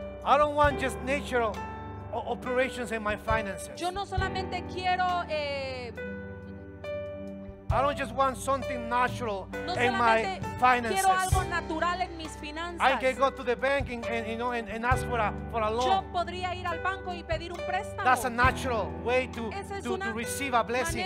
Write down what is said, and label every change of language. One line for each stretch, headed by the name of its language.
English: I don't want just natural operations in my finances.
Spanish: Yo no solamente quiero
English: I don't just want something natural in my finances.
Spanish: Quiero algo natural en mis finanzas.
English: I can go to the bank and you know and ask for a loan.
Spanish: Yo podría ir al banco y pedir un préstamo.
English: That's a natural way to receive a blessing.